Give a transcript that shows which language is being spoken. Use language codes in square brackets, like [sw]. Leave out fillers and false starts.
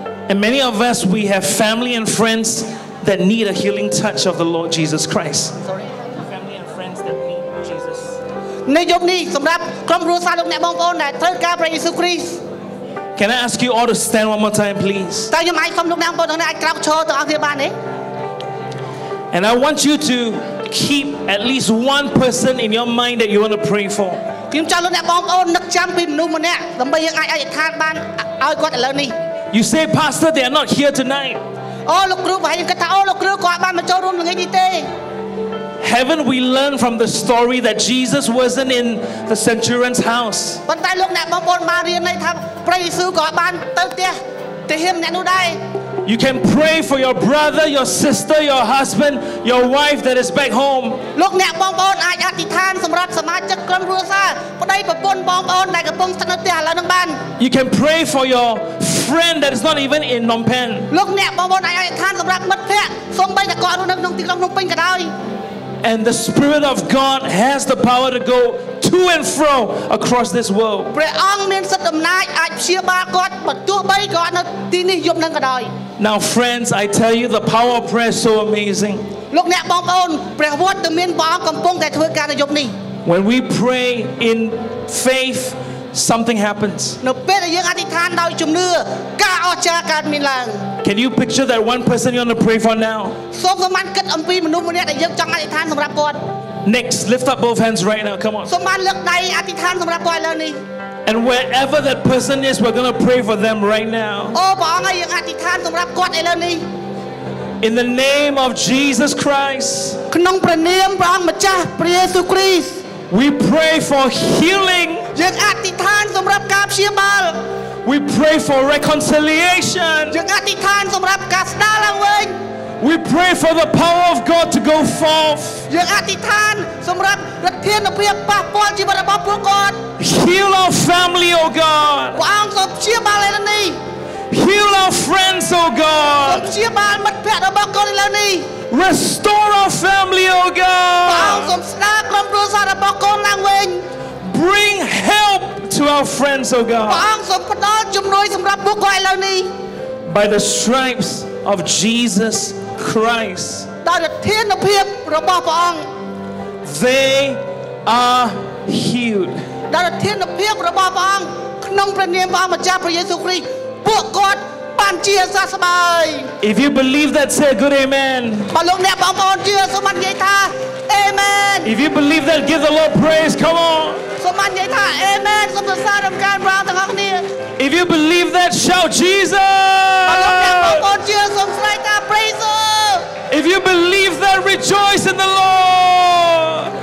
[en] And many of us we have family and friends that need a healing touch of the Lord Jesus Christ Family and friends that need Jesus [km] នៅយប់នេះសម្រាប់ក្រុមគ្រួសារលោកអ្នកបងប្អូនដែលត្រូវការព្រះយេស៊ូវគ្រីស្ទ [en] Can I ask you all to stand one more time please [km] តើយើងអាចសុំលោកអ្នកបងប្អូនទាំងអស់អាចក្រោកឈរទាំងអស់គ្នាបានទេ [en] And I want you to keep at least one person in your mind that you want to pray for. [km] ខ្ញុំចង់លោកអ្នកបងប្អូននឹកចាំពីមនុស្សម្នាក់ដើម្បីយើងអាចអធិដ្ឋានបានឲ្យគាត់ឥឡូវនេះ [en] You say pastor they are not here tonight. [km] អូលោកគ្រូបងខ្ញុំគិតថាអូលោកគ្រូគាត់បានមកចូលរួមល្ងាចនេះទេ [en] Heaven we learn from the story that Jesus wasn't in the centurion's house. [km] ប៉ុន្តែលោកអ្នកបងប្អូនបានរៀនថាព្រះយេស៊ូវក៏បានទៅផ្ទះទាហានម្នាក់នោះដែរ [en] You can pray for your brother, your sister, your husband, your wife that is back home. [km] លោកអ្នកបងប្អូនអាចអធិដ្ឋានសម្រាប់សមាជិកក្រុមគ្រួសារប្តីប្រពន្ធបងប្អូនដែលកំពុងស្ថិតនៅផ្ទះឥឡូវនឹងបាន [en] You can pray for your friend that is not even in Phnom Penh. [km] លោកអ្នកបងប្អូនអាចអធិដ្ឋានសម្រាប់មិត្តភ័ក្តិសូម្បីតែគាត់នៅក្នុងទីក្រុងភ្នំពេញក៏ដោយ [en] And the spirit of God has the power to go to and fro across this world. [km] ព្រះអង្គមានសិទ្ធិអំណាចអាចព្យាបាលគាត់បើទោះបីគាត់នៅទីនេះយប់នឹងក៏ដោយ [en] Now friends, I tell you the power of prayer is so amazing. [km] លោកអ្នកបងប្អូនព្រះវត្តមានព្រះអង្គកំពុងតែធ្វើការនៅយប់នេះ [en] When we pray in faith, something happens. [km] នៅពេលដែលយើងអធិដ្ឋានដោយជំនឿការអស្ចារ្យកើតមានឡើង [en] Can you picture that one person you're going to pray for now? [km] សូមសម័នគិតអំពីមនុស្សម្នាក់ដែលយើងចង់អធិដ្ឋានសម្រាប់គាត់ [en] Next, lift up both hands right now. Come on. [km] សូមបានលើកដៃអធិដ្ឋានសម្រាប់គាត់ឥឡូវនេះ [en] And wherever that person is, we're going to pray for them right now. [km] អូព្រះអង្គឲ្យយើងអធិដ្ឋានសម្រាប់គាត់ឥឡូវនេះ [en] In the name of Jesus Christ. [km] ក្នុងព្រះនាមព្រះអង្គម្ចាស់ព្រះយេស៊ូវគ្រីស្ទ [en] We pray for healing. [km] យើងអធិដ្ឋានសម្រាប់ការព្យាបាល [en] We pray for reconciliation. [km] យើងអធិដ្ឋានសម្រាប់ការស្ដារឡើងវិញ [en] We pray for the power of God to go forth. [km] យើងអធិដ្ឋានសម្រាប់ឫទ្ធានុភាពប៉ះពាល់ជីវិតរបស់ពួកគាត់ [en] Heal our family, O God. [km] ព្រះអង្គព្យាបាលឥឡូវនេះ [en] Heal our friends, O God. [km] ព្យាបាលមិត្តភ័ក្តិរបស់គាត់ឥឡូវនេះ [en] Restore our family, O God. [km] ព្រះអង្គស្ដារក្រុមគ្រួសាររបស់គាត់ឡើងវិញ [en] Bring help to our friends, O God. [km] ព្រះអង្គសូមផ្ដល់ជំនួយសម្រាប់ពួកគាត់ឥឡូវនេះ [en] By the stripes of Jesus Christ. [km] ដោយឫទ្ធានុភាពរបស់ព្រះអង្គ [en] They are healed. [km] ដោយឫទ្ធានុភាពរបស់ព្រះអង្គក្នុងព្រះនាមព្រះម្ចាស់ព្រះយេស៊ូវគ្រីស្ទពួកគាត់បានជាសះស្បើយ [en] If you believe that say a good amen. [km] បងប្អូនបងប្អូនជឿសូមនិយាយថា Amen. [en] If you believe that give the Lord praise. Come on. [km] សូមនិយាយថា Amen. សូមសរសើរកាន់ប្រាងទាំងអស់គ្នា [en] If you believe that shout Jesus. [km] បងប្អូនជឿសូមស្រែកថា [en] Praise Him. If you believe that rejoice in the Lord.